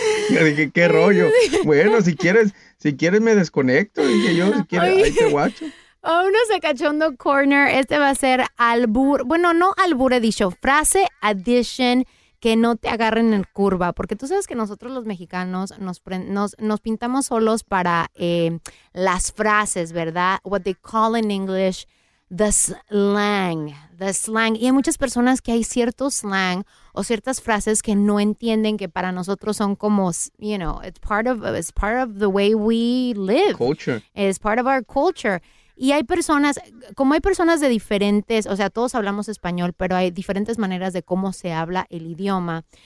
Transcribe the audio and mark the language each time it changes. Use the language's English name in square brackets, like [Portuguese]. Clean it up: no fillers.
[Spanish] Yo dije, qué rollo. Bueno, si quieres me desconecto, dije yo, si quieres, ahí te guacho. Vámonos a Cachondo Corner. Este va a ser albur, bueno, no albur edition, frase edition. Que no te agarren en curva, porque tú sabes que nosotros los mexicanos nos pintamos solos para las frases, ¿verdad? [English] What they call in English the slang. [Spanish] Y hay muchas personas que hay cierto slang o ciertas frases que no entienden que para nosotros son como, [English] it's part of the way we live. Culture. It's part of our culture. [Spanish] Y hay personas, como hay personas de diferentes, o sea, todos hablamos español, pero hay diferentes maneras de cómo se habla el idioma.